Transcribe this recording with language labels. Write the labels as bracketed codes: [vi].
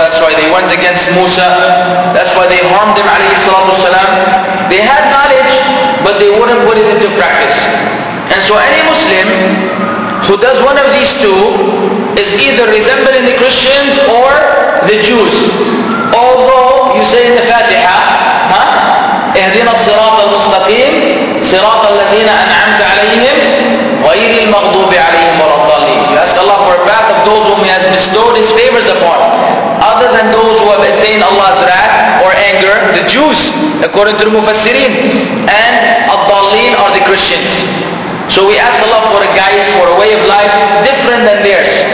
[en] That's why they went against Musa. That's why they harmed him, alayhi salatu wasalam. They had knowledge, but they wouldn't put it into practice. And so any Muslim who does one of these two is either resembling the Christians or the Jews. Although you say in the Fatiha, [ar] اهدنا الصراط المستقيم صراط الذين أنعمت عليهم غير المغضوب عليهم ولا الضالين. [en] You ask Allah for a path of those whom He has bestowed His favors upon, other than those who have attained Allah's wrath or anger, the Jews, according to the Mufassirin, and الضالين are the Christians. So we ask Allah for a guide, for a way of life different than theirs.